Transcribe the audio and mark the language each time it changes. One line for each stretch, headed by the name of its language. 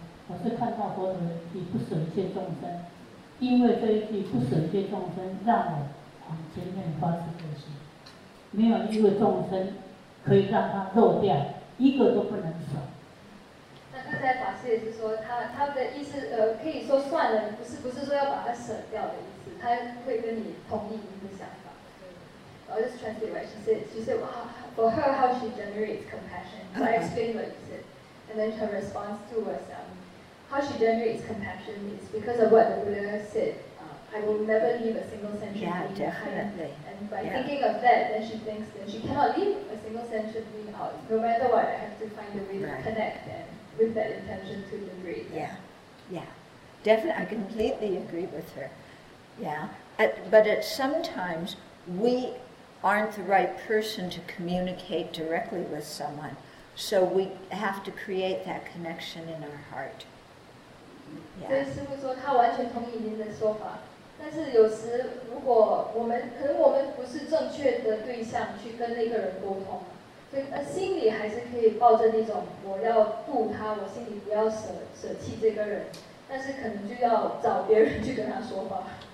Chinese: 我是看到佛陀以不舍一切众生，因为这一句不舍一切众生，让我往前面发慈悲心。没有一个众生可以让他漏掉，一个都不能少。那刚才法师也是说，他的意思，可以说算了，不是说要把它舍掉的意思，他会跟你同意你的想法。
English: I'll just translate what she said. She said, "Wow, for her, how she generates compassion." So I explained what you said, and then her response to herself. How she generates compassion is because of what the Buddha said, I will never leave a single sentient being behind. Yeah, definitely. And by yeah. thinking of that, then she thinks that she cannot leave a single sentient being out. No matter what, I have to find a way right. to connect and with that intention to liberate them. Yeah, yeah. Definitely, I completely agree with her. Yeah. But sometimes we aren't the right person to communicate directly with someone. So we have to create that connection in our heart. Yeah.
Chinese: 所以师父说他完全同意您的说法，但是有时如果我们可能我们不是正确的对象去跟那个人沟通，所以心里还是可以抱着那种我要度他，我心里不要舍弃这个人，但是可能就要找别人去跟他说话。